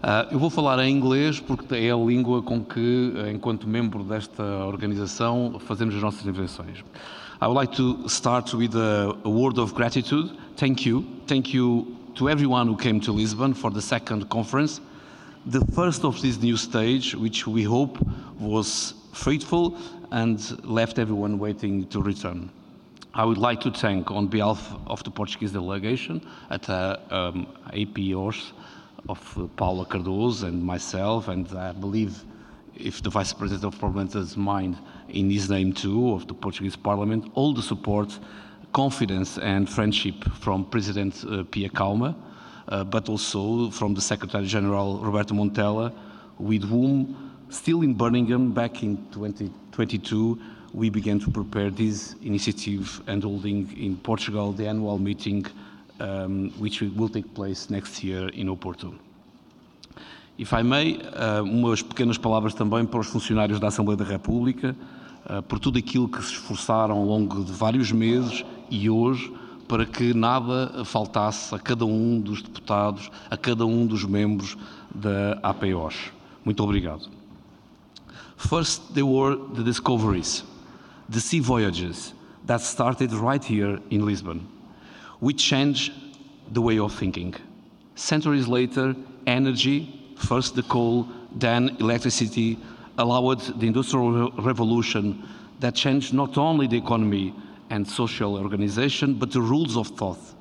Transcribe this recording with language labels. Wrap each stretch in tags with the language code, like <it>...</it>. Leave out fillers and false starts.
<pt>Eu vou falar em inglês porque é a língua com que, enquanto membro desta organização, fazemos as nossas invenções.</pt> <en>I would like to start with a word of gratitude. Thank you. Thank you to everyone who came to Lisbon for the second conference, the first of this new stage, which we hope was fruitful and left everyone waiting to return. I would like to thank, on behalf of the Portuguese delegation at APOS, of Paula Cardoso and myself, and I believe if the Vice President of Parliament has mind in his name too, of the Portuguese Parliament, all the support, confidence and friendship from President Pia Calma, but also from the Secretary General Roberto Montella, with whom, still in Birmingham back in 2022, we began to prepare this initiative and holding in Portugal the annual meeting which will take place next year in Oporto. If I may,</en> <pt>umas pequenas palavras também para os funcionários da Assembleia da República, por tudo aquilo que se esforçaram ao longo de vários meses e hoje, para que nada faltasse a cada um dos deputados, a cada um dos membros da APOS. Muito obrigado.</pt> <en>First, there were the discoveries, the sea voyages that started right here in Lisbon. We changed the way of thinking. Centuries later, energy, first the coal, then electricity, allowed the Industrial Revolution that changed not only the economy and social organization, but the rules of thought.</en>